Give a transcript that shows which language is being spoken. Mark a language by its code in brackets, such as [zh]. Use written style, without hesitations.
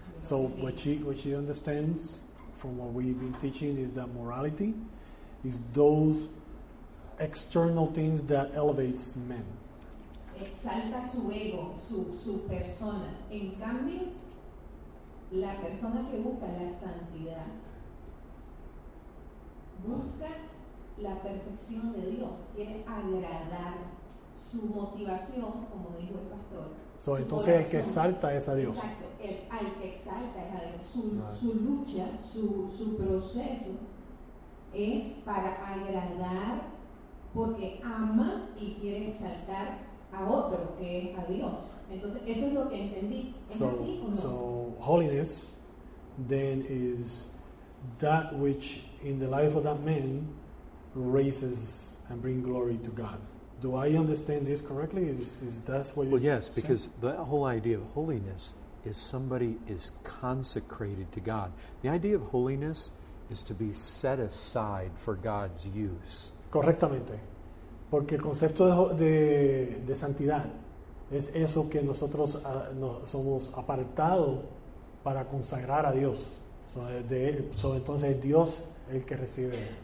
[en] So what she understands from what we've been teaching is that morality is those external things that elevates men. [es] Exalta su ego, su persona. En cambio, la persona que busca la santidad busca la perfección de Dios, quiere agradar. Su motivación, como dijo el pastor, so, entonces corazón, el que exalta es a Dios. Exacto, el que exalta es a Dios. Su lucha, su proceso es para agradar porque ama y quiere exaltar a otro. otro, que es a Dios. Entonces, eso es lo que entendí. ¿Es so, así o no? [en] So, holiness then is that which in the life of that man raises and bring glory to God. Do I understand this correctly? Is that what you Well, yes, saying? Because the whole idea of holiness is somebody is consecrated to God. The idea of holiness is to be set aside for God's use. [es] Correctamente. Porque el concepto de santidad es eso que nosotros no, somos apartados para consagrar a Dios. So, entonces es Dios el que recibe.